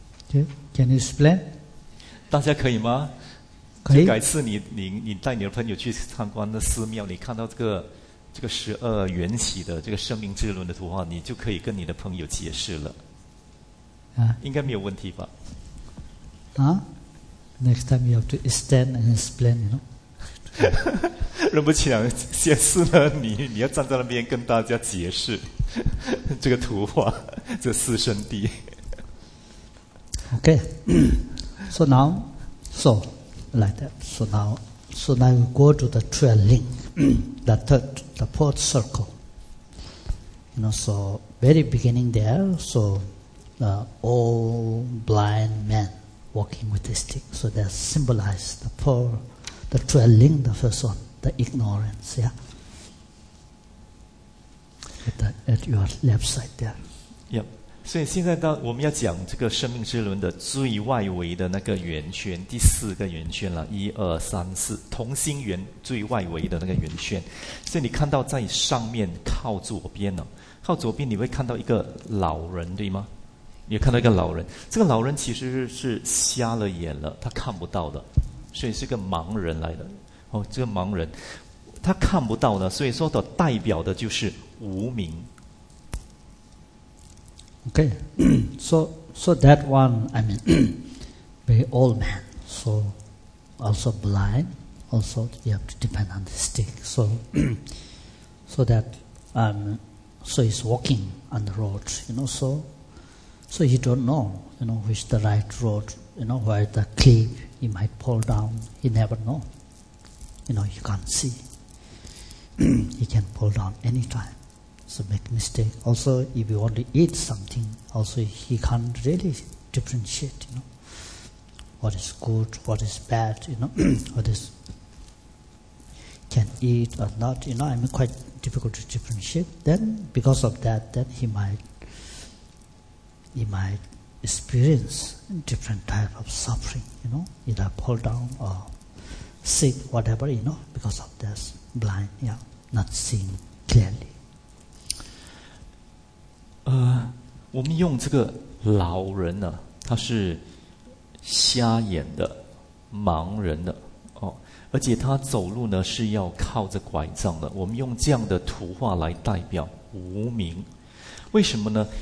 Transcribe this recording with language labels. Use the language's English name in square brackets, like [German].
[English] Can you explain? [Chinese] 大家可以吗？可以。就改次你带你的朋友去参观的寺庙，你看到这个十二缘起的这个生命之轮的图画，你就可以跟你的朋友解释了。啊，应该没有问题吧？ [English] 啊 ，Next time you have to stand and explain, you know. [Chinese] 人不强，下次呢，你要站在那边跟大家解释这个图画，这四圣地。 [English] Okay, so now we go to the trail link, the third, the fourth circle. You know, so very beginning there, so all blind men walking with a stick, so that symbolizes the four, the trail link, the first one, the ignorance, yeah? At your left side there. Yep. [Chinese] 所以现在到我们要讲这个生命之轮的最外围的那个圆圈，第四个圆圈了，一二三四，同心圆最外围的那个圆圈。所以你看到在上面靠左边呢，靠左边你会看到一个老人，对吗？你看到一个老人，这个老人其实是瞎了眼了，他看不到的，所以是个盲人来的。哦，这个盲人他看不到的，所以说的代表的就是无明。 [English] Okay, so that one, I mean, very old man, so also blind, also you have to depend on the stick. So, so he's walking on the road, you know, so he don't know, you know, which the right road, you know, where the cliff he might fall down, he never know. You know, he can't see. He can fall down anytime. So make mistake. Also, if you want to eat something, also he can't really differentiate, you know, what is good, what is bad, you know, what is can eat or not, you know, I mean, quite difficult to differentiate. Then, because of that, then he might experience different type of suffering, you know, either fall down or sick, whatever, you know, because of this blind, yeah, not seeing clearly. [Chinese] 我们用这个老人呢、他是瞎眼的盲人的哦，而且他走路呢是要靠着拐杖的，我们用这样的图画来代表无明。为什么呢？